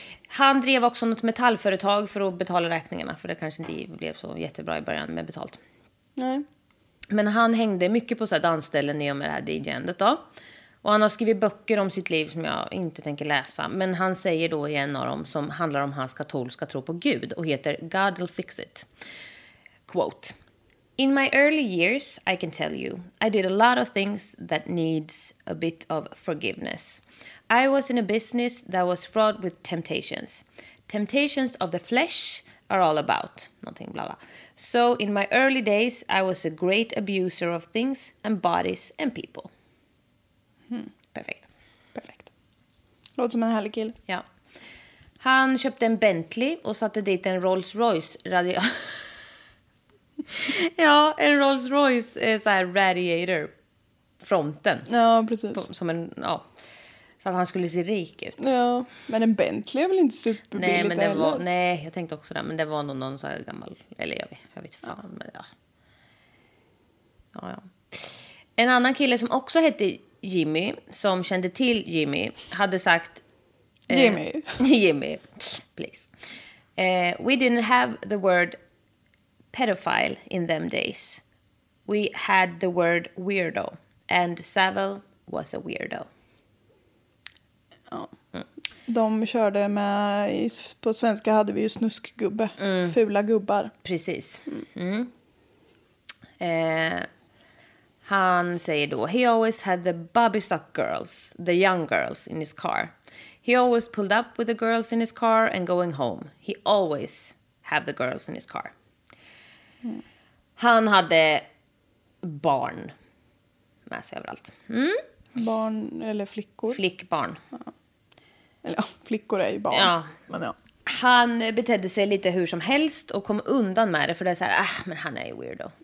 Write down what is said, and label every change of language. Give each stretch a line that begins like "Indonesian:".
Swedish: Han drev också något metallföretag för att betala räkningarna. För det kanske inte blev så jättebra i början med betalt. Nej. Men han hängde mycket på så här dansställen i och med det här DJ-endet då. Och han har skrivit böcker om sitt liv som jag inte tänker läsa. Men han säger då i en av dem som handlar om hans katolska tro på Gud. Och heter God will fix it. Quote.
English: In my early years, I can tell you, I did a lot of things that needs a bit of forgiveness. I was in a business that was fraught with temptations. Temptations of the flesh are all about. Nothing blah blah. So in my early days, I was a great abuser of things and bodies and people. Hmm. Perfect. Perfect.
Swedish: Låter som en härlig kille. Ja. Han köpte en Bentley och satte dit en Rolls Royce radio... Ja, en Rolls Royce är så här radiator fronten. Ja, precis. Som en, ja, så att han skulle se rik ut. Ja, men en Bentley är väl inte superbilligt. Nej, men det var, nej, jag tänkte också det, men det var nog någon så här gammal, eller jag vet fan, ja. Men ja. Ja, ja. En annan kille som också hette Jimmy, som kände till Jimmy, hade sagt
English: Jimmy, please. We didn't have the word pedophile in them days. We had the word weirdo. And Saville was a weirdo.
Swedish: Ja. Mm. De körde med... På svenska hade vi ju snuskgubbe. Mm. Fula gubbar. Precis. Mm. Mm. Han säger då...
English: He always had the bobby sock girls. The young girls in his car. He always pulled up with the girls in his car and going home. He always had the girls in his car.
Swedish: Han hade barn med sig överallt. Mm? Barn eller flickor? Flickbarn. Ja. Eller ja, flickor är ju barn. Ja. Men ja. Han betedde sig lite hur som helst och kom undan med det. För det är så här, men han är ju weirdo.